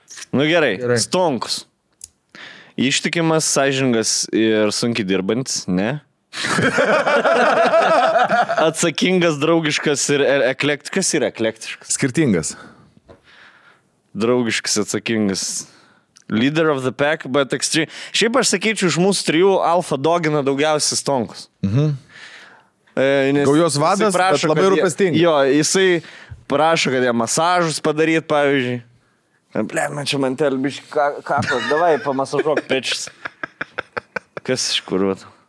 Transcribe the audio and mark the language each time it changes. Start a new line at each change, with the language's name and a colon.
Lithuanian: Nu gerai. Stonkus. Ištikimas, sąžingas ir sunkiai dirbantis, ne? Atsakingas, draugiškas ir eklektiškas. Kas yra eklektiškas? Skirtingas. Draugiškas, atsakingas...
English: Leader of the pack, but extreme.
Lithuanian: Šiaip aš sakyčiau, iš mūsų trijų alfa dogina daugiausiai stonkus. Gaujos vadas, prašo, bet labai rūpestingas. Jo, jisai prašo, kad jie masažus padaryt, pavyzdžiui. Blė, man čia mantelį biškį kapas, davai pamasažuok pečius. Kas iš kur vat?